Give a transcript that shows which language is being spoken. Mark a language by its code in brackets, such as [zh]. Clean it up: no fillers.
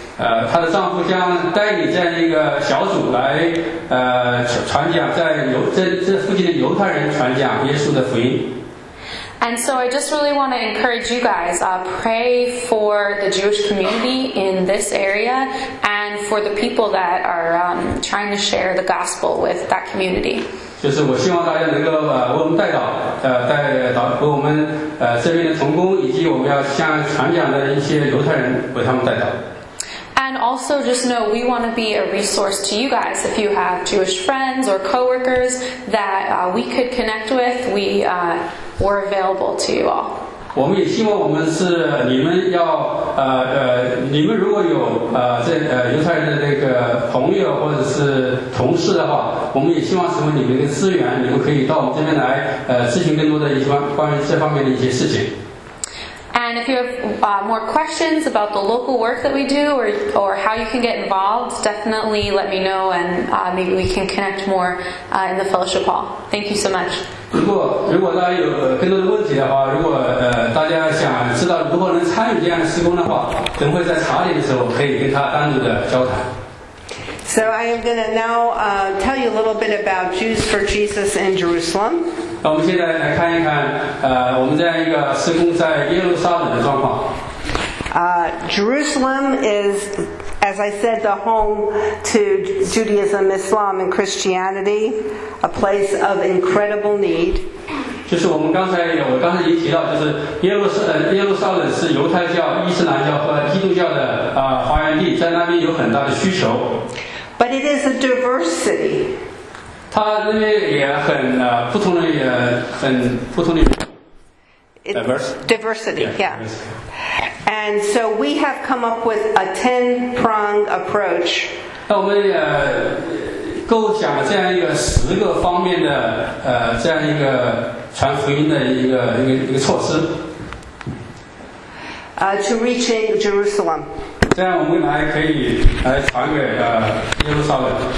[zh] 她的丈夫将带领这样一个小组来传讲在附近的犹太人传讲耶稣的福音。 [en] And so I just really want to encourage you guys, pray for the Jewish community in this area and for the people that are trying to share the gospel with that community. [zh] 就是我希望大家能够为我们代祷，代祷为我们这边的同工以及我们要向传讲的一些犹太人为他们代祷。 [en] And also just know we want to be a resource to you guys. If you have Jewish friends or coworkers that we could connect with, we were available to you all. [zh] 我们也希望我们是你们要你们如果有这犹太人的那个朋友或者是同事的话，我们也希望成为你们的资源，你们可以到我们这边来咨询更多的一些关于这方面的一些事情。 [en] And if you have more questions about the local work that we do or how you can get involved, definitely let me know and maybe we can connect more in the fellowship hall. Thank you so much. [zh] 如果大家有更多的问题的话，如果大家想知道如何能参与这样的施工的话，等会在茶点的时候可以跟他单独的交谈。 [en] So I am going to now tell you a little bit about Jews for Jesus in Jerusalem. [zh] 我们现在来看一看我们这样一个施工在耶路撒冷的状况。 [en] Jerusalem is, as I said, the home to Judaism, Islam, and Christianity, a place of incredible need. [zh] 就是我刚才已经提到，就是耶路撒冷是犹太教、伊斯兰教和基督教的发源地，在那边有很大的需求。 [en] But it is a diverse city. [zh] 它那边也很不同的，也很不同的。 [en] Diversity, yeah. And so we have come up with a 10-prong approach. [zh] 那我们也构想了这样一个十个方面的这样一个传福音的一个措施。 [en] To reach Jerusalem. [zh] 这样我们来可以来传给耶路撒冷。